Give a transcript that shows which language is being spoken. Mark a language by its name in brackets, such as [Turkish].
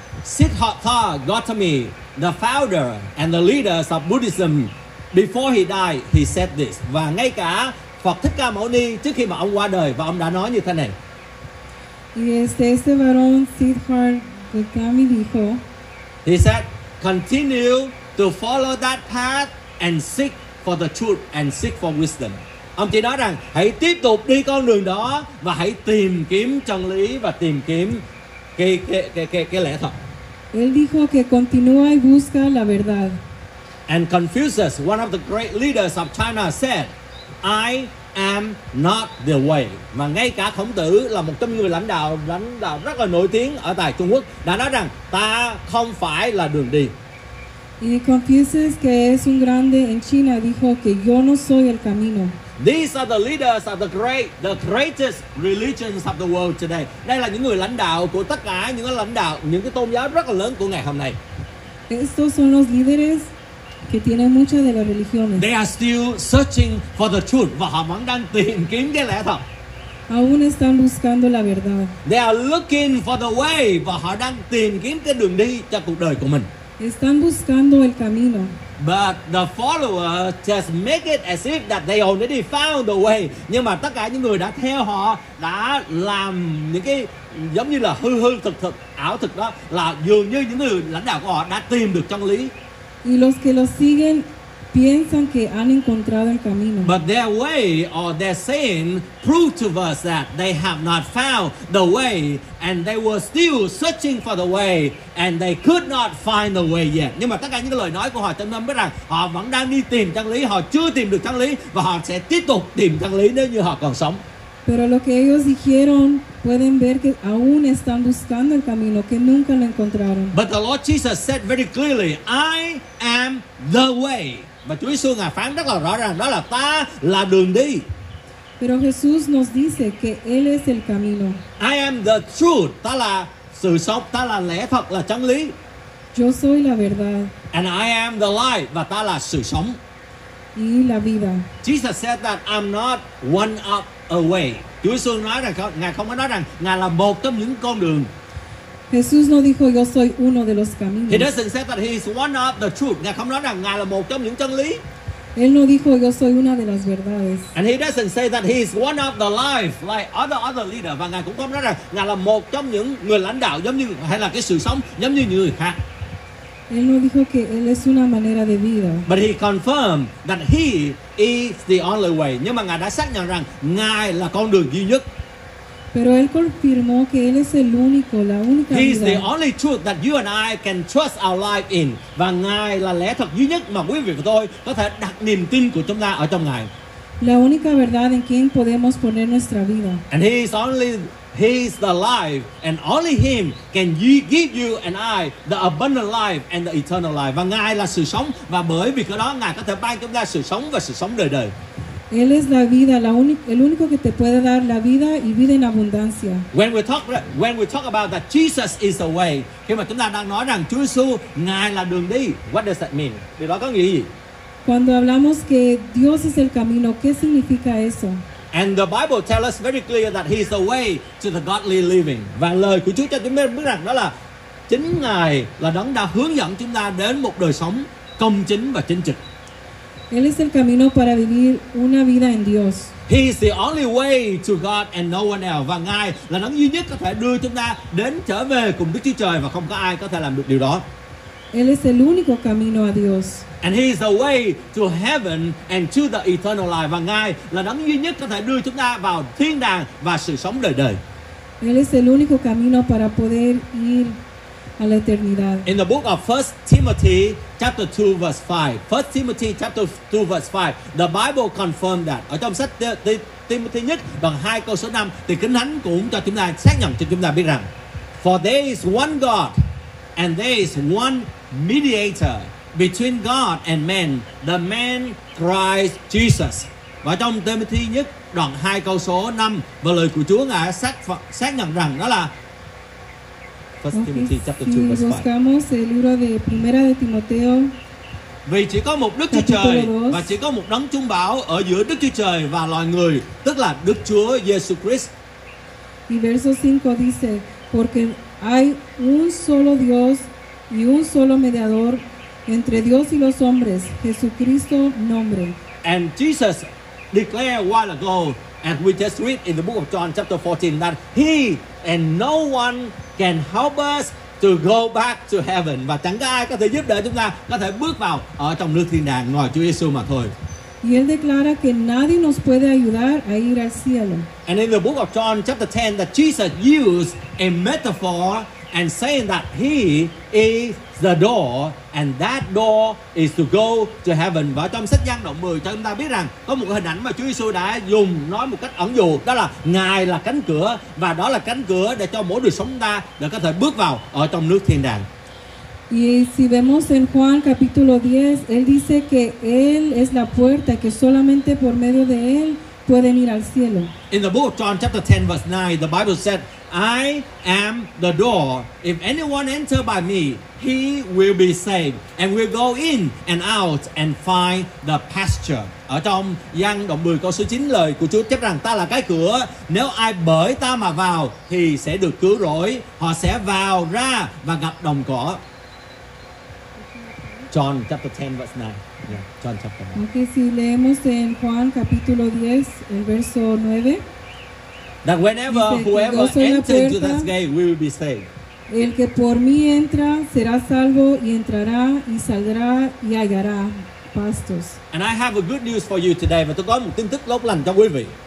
[English] Siddhartha Gautama, the founder and the leader of Buddhism, before he died, he said this. [Vietnamese] Và ngay cả Phật Thích Ca Mâu Ni trước khi mà ông qua đời và ông đã nói như thế này. [Spanish] Este varón Siddhartha Gautama dijo, [English] he said, continue to follow that path and seek for the truth and seek for wisdom. [Vietnamese] Ông chỉ nói rằng hãy tiếp tục đi con đường đó và hãy tìm kiếm chân lý và tìm kiếm cái lẽ thật. [Spanish] Él dijo que continúa y busca la verdad. [English] And Confucius, one of the great leaders of China, said, I am not the way. [Vietnamese] Mà ngay cả Khổng Tử là một trong người lãnh đạo rất là nổi tiếng ở tại Trung Quốc đã nói rằng ta không phải là đường đi. [Spanish] Y Confucius, que es un grande en China, dijo que yo no soy el camino. [English] These are the leaders of the greatest religions of the world today. [Vietnamese] Đây là những người lãnh đạo của tất cả những cái lãnh đạo, những cái tôn giáo rất là lớn của ngày hôm nay. [Spanish] Estos son los líderes que tienen muchas de las religiones. [English] They are still searching for the truth. [Vietnamese] Và họ vẫn đang tìm kiếm cái lẽ thật. [Spanish] Aún están buscando la verdad. [English] They are looking for the way. [Vietnamese] Và họ đang tìm kiếm cái đường đi cho cuộc đời của mình. [Spanish] Están buscando el camino. [English] But the follower just make it as if that they already found the way. [Vietnamese] Nhưng mà tất cả những người đã theo họ đã làm những cái giống như là hư thực ảo thực đó, là dường như những người lãnh đạo của họ đã tìm được chân lý. [Spanish] Y los que los siguen piensan que han encontrado el camino. [English] But their way or their saying proved to us that they have not found the way, and they were still searching for the way, and they could not find the way yet. [Vietnamese] Nhưng mà tất cả những lời nói của họ chứng minh rằng họ vẫn đang đi tìm chân lý, họ chưa tìm được chân lý và họ sẽ tiếp tục tìm chân lý nếu như họ còn sống. [Spanish] Pero lo que ellos dijeron, pueden ver que aún están buscando el camino, que nunca lo encontraron. [English] But the Lord Jesus said very clearly, I am the way. [Vietnamese] Và Chúa Giêsu ngài phán rất là rõ ràng, đó là ta là đường đi. [Spanish] Pero Jesús nos dice que él es el camino. [English] I am the truth. [Vietnamese] Ta là sự sống, ta là lẽ thật, là chân lý. [Spanish] Yo soy la verdad. [English] And I am the light. [Vietnamese] Và ta là sự sống. [Spanish] Y la vida. [English] Jesus said that I'm not one of a way. [Vietnamese] Chúa Giêsu nói rằng ngài không có nói rằng ngài là một trong những con đường. [Spanish] Jesús no dijo yo soy uno de los caminos. [English] He doesn't say that he is one of the truth. [Vietnamese] Ngài không nói rằng ngài là một trong những chân lý. [Spanish] Él no dijo yo soy una de las verdades. [English] And he doesn't say that he is one of the life like other leader. [Vietnamese] Và ngài cũng không nói rằng ngài là một trong những người lãnh đạo giống như hay là cái sự sống giống như người khác. [Spanish] Él no dijo que él es una manera de vida. [English] But he confirmed that he is the only way. [Vietnamese] Nhưng mà ngài đã xác nhận rằng ngài là con đường duy nhất. [Spanish] Pero él confirmó que él es el único, la única verdad. [English] He is the only truth that you and I can trust our life in. [Vietnamese] Và ngài là lẽ thật duy nhất mà quý vị và tôi có thể đặt niềm tin của chúng ta ở trong ngài. [Spanish] La única verdad en quien podemos poner nuestra vida. [English] And he is the life, and only him can give you and I the abundant life and the eternal life. [Vietnamese] Và ngài là sự sống, và bởi vì cái đó ngài có thể ban chúng ta sự sống và sự sống đời đời. [Spanish] Él es la vida, el único que te puede dar la vida y vida en abundancia. [English] When we talk about that Jesus is the way, [Vietnamese] khi mà chúng ta đang nói rằng Chúa Giêsu ngài là đường đi, [English] what does that mean? [Vietnamese] Điều đó có nghĩa gì? [Spanish] Cuando hablamos que Dios es el camino, ¿qué significa eso? [English] And the Bible tells us very clear that he is the way to the godly living. [Vietnamese] Và lời của Chúa cho chúng ta biết rằng đó là chính ngài là đấng đã hướng dẫn chúng ta đến một đời sống công chính và chính trực. [Spanish] Él es el camino para vivir una vida en Dios. [English] He is the only way to God and no one else. [Vietnamese] Và ngài là đấng duy nhất có thể đưa chúng ta đến trở về cùng Đức Chúa Trời và không có ai có thể làm được điều đó. [Spanish] Él es el único camino a Dios. [English] And he is the way to heaven and to the eternal life. [Vietnamese] Và ngài là đấng duy nhất có thể đưa chúng ta vào thiên đàng và sự sống đời đời. [Spanish] Él es el único camino para poder ir a la eternidad. [English] In the book of 1 Timothy chapter 2 verse 5. 1 Timothy chapter 2 verse 5. The Bible confirmed that. [Vietnamese] Ở trong sách Timothy nhất đoạn 2 câu số 5 thì Kinh Thánh cũng cho chúng ta xác nhận cho chúng ta biết rằng [English] for there is one God and there is one mediator between God and man, the man Christ Jesus. [Vietnamese] Và trong Timothy nhất đoạn 2 câu số 5 và lời của Chúa ngài xác nhận rằng đó là [Spanish] Okay, si buscamos el libro de Primera de Timoteo. [Vietnamese] Vì chỉ có một Đức Chúa Trời và chỉ có một đấng trung bảo ở giữa Đức Chúa Trời và loài người, tức là Đức Chúa Jesus Christ. [Spanish] Y verso 5 dice, porque hay un solo Dios y un solo mediador entre Dios y los hombres, Jesucristo nombre. [English] And Jesus declared a while ago, and we just read in the book of John chapter 14, that he and no one can help us to go back to heaven. [Vietnamese] Và chẳng có ai có thể giúp đỡ chúng ta có thể bước vào ở trong nước thiên đàng ngoài Chúa Giêsu mà thôi. [Spanish] Y él declara que nadie nos puede ayudar a ir al cielo. [English] And in the book of John chapter 10, that Jesus used a metaphor and saying that he is the door and that door is to go to heaven. [Vietnamese] Và trong sách Giăng đoạn 10 cho chúng ta biết rằng có một hình ảnh mà Chúa Giêsu đã dùng nói một cách ẩn dụ, đó là Ngài là cánh cửa và đó là cánh cửa để cho mỗi đời sống ta để có thể bước vào ở trong nước thiên đàng. [Spanish] Y si vemos en Juan capítulo 10, él dice que él es la puerta, que solamente por medio de él pueden ir al cielo. [English] In the book of John chapter 10 verse 9, the Bible said, I am the door. If anyone enter by me, he will be saved and will go in and out and find the pasture. [Vietnamese] Ở trong Giăng đoạn 10 câu số 9 lời của Chúa chép rằng ta là cái cửa, nếu ai bởi ta mà vào thì sẽ được cứu rỗi, họ sẽ vào ra và gặp đồng cỏ. [English] John chapter 10 verse 9. Yeah, John chapter 9. [Spanish] Okay, si leemos en Juan capítulo 10, el verso 9. [English] That whenever whoever enters into this gate, we will be saved. [Spanish] El que por mí entra será salvo y entrará y saldrá y hallará pastos. [English] And I have a good news for you today, [Vietnamese] và tôi có một tin tức tốt lành cho quý vị.